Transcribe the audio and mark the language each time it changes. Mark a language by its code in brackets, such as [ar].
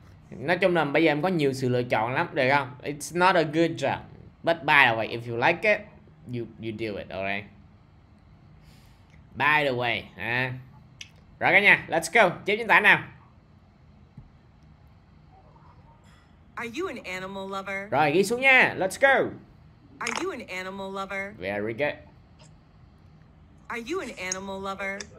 [vi] Nói chung là bây giờ em có nhiều sự lựa chọn lắm, được không? [en] It's not a good job, but by the way, if you like it, you do it, alright? By the way, [vi] Rồi cả nhà, [en] let's go, [vi] chép chính tả nào. [en] Are you an animal lover? [vi] Rồi ghi xuống nha, [en] let's go. Are you an animal lover? Very good. Are you an animal lover?